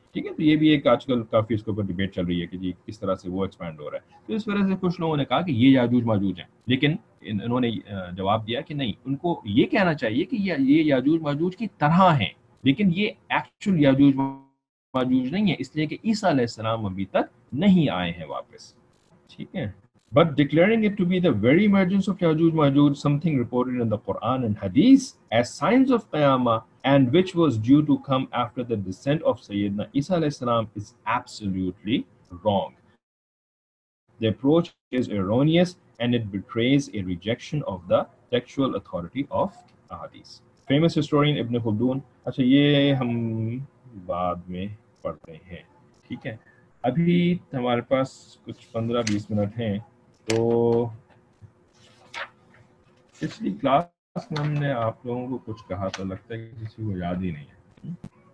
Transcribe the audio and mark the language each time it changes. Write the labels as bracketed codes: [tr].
[ur] ٹھیک ہے, تو یہ بھی ایک آج کل کافی اس کے اوپر ڈبیٹ چل رہی ہے کہ جی کس طرح سے وہ ایکسپینڈ ہو رہا ہے. تو اس وجہ سے کچھ لوگوں نے کہا کہ یہ یاجوج ماجوج ہیں, لیکن انہوں نے جواب دیا کہ نہیں, ان کو یہ کہنا چاہیے کہ یہ یاجوج ماجوج کی طرح ہیں, لیکن یہ ایکچوئل یاجوج ماجوج نہیں ہے, اس لیے کہ عیسیٰ علیہ السلام ابھی تک نہیں آئے ہیں واپس. ٹھیک ہے, [en] but declaring it to be the very emergence of Yajuj Majuj, something reported in the Quran and Hadith as signs of Qiyamah and which was due to come after the descent of Sayyidina Isa alayhi salam, is absolutely wrong. The approach is erroneous and it betrays a rejection of the textual authority of Hadith. Famous historian Ibn Khaldun. [ur] اچھا یہ ہم بعد میں پڑھتے ہیں, ٹھیک ہے. ابھی ہمارے پاس کچھ 15-20 منٹ ہیں, تو پچھلی کلاس میں ہم نے آپ لوگوں کو کچھ کہا تو لگتا ہے کہ کسی کو یاد ہی نہیں ہے.